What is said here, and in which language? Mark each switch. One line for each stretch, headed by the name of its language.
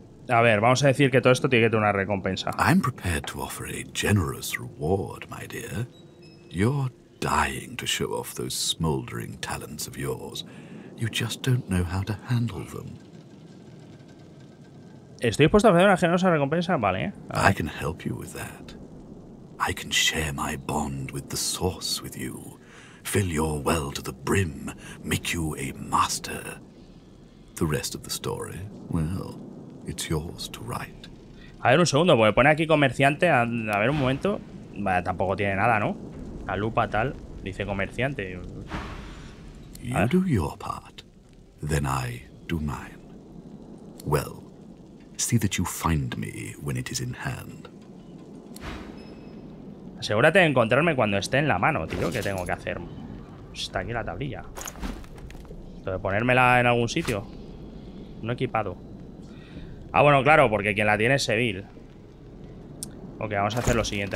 Spanish: A ver, vamos a decir que todo esto tiene que tener una recompensa.
English: I'm prepared to offer a generous reward, my dear. You're dying to show off those smoldering talents of yours. You just don't know how to handle them.
Spanish: Estoy dispuesto a ofrecer una generosa recompensa, vale.
English: I can help you with that. I can share my bond with the source with you. Fill your well to the brim, make you a master. The rest of the story, well, it's yours to write.
Spanish: A ver un segundo, porque pone aquí comerciante, a ver un momento. Vaya, tampoco tiene nada, ¿no? La lupa tal, dice comerciante.
English: You do your part, then I do mine. Well, see that you find me when it is in hand.
Spanish: Asegúrate de encontrarme cuando esté en la mano, tío. ¿Qué tengo que hacer? Está aquí la tablilla. ¿Tengo que ponérmela en algún sitio? No equipado. Ah, bueno, claro, porque quien la tiene es Seville. Ok, vamos a hacer lo siguiente.